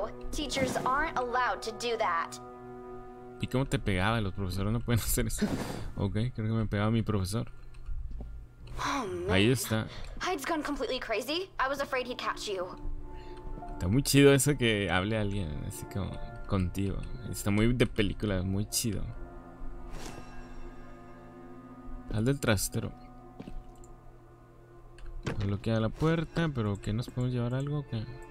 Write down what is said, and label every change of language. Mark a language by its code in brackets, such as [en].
[en] Teachers aren't allowed to do that. [es] ¿Y cómo te pegaba? Los profesores no pueden hacer eso. Ok, creo que me pegaba mi profesor. Ahí está. [en] Hyde's gone completely crazy. I was afraid he'd catch you. [es] Está muy chido eso, que hable a alguien así como contigo. Está muy de película, muy chido. Al del trastero. Bloquea la puerta, pero ¿qué, nos podemos llevar algo? ¿Qué?